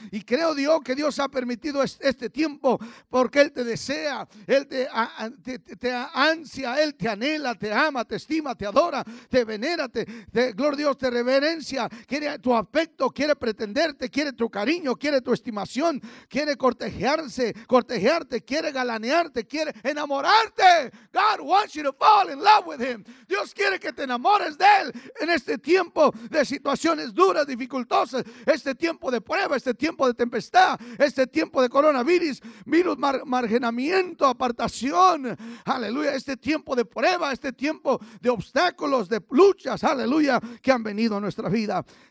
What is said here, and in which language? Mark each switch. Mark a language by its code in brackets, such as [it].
[es] Y creo Dios que Dios ha permitido este tiempo porque Él te desea, Él te ansia, Él te anhela, te ama, te estima, te adora, te venera, te gloria a Dios, te reverencia, quiere tu afecto, quiere pretenderte, quiere tu cariño, quiere tu estimación, quiere cortejarte, quiere galanearte, quiere enamorarte. [en] God wants you to fall in love with Him. [es] Dios quiere que te enamores de Él en este tiempo de situaciones duras, dificultosas, este tiempo de prueba, este tiempo de tempestad, este tiempo de coronavirus, virus, marginamiento, apartación, aleluya, este tiempo de prueba, este tiempo de obstáculos, de luchas, aleluya, que han venido a nuestra vida.